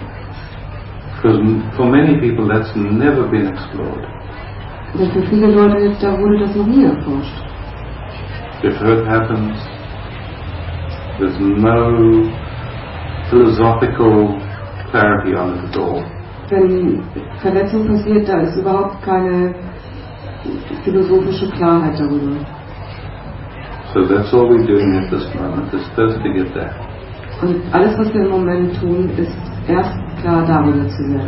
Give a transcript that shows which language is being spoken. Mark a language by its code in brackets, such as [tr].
[en] Because for many people that's never been explored. [de] Für viele Leute da wurde das noch nie erforscht. [en] If hurt happens, there's no philosophical clarity on it at all. [de] Wenn Verletzung passiert, da ist überhaupt keine philosophische Klarheit darüber. [en] So that's all we're doing at this moment, is first to get there. [de] Und alles, was wir im Moment tun, ist erst klar darüber zu werden.